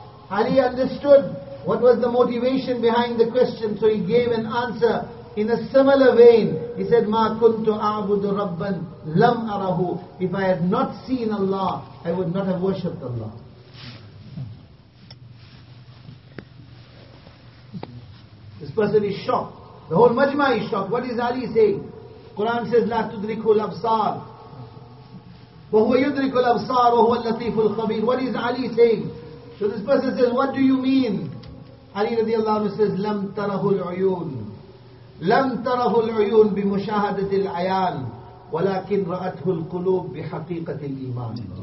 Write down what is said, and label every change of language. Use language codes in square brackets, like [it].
[en] Ali understood what was the motivation behind the question, so he gave an answer in a similar vein. He said, [ar] ma kuntu a'budu rabban lam arahu. [en] If I had not seen Allah, I would not have worshipped Allah. This person is shocked. The whole majma is shocked. What is Ali saying? Quran says, [ar] لَا تُدْرِكُ الْأَبْصَارِ وَهُوَ يُدْرِكُ الْأَبْصَارِ وَهُوَ اللَّطِيفُ الْخَبِيرِ. [en] What is Ali saying? So this person says, what do you mean? Ali radiallahu anhu says, [ar] لَمْ تَرَهُ الْعُيُونَ لَمْ تَرَهُ الْعُيُونَ بِمُشَاهَدَةِ الْعَيَانِ وَلَكِنْ رَأَتْهُ الْقُلُوبِ بِحَقِيقَةِ الْإِيمَانِ.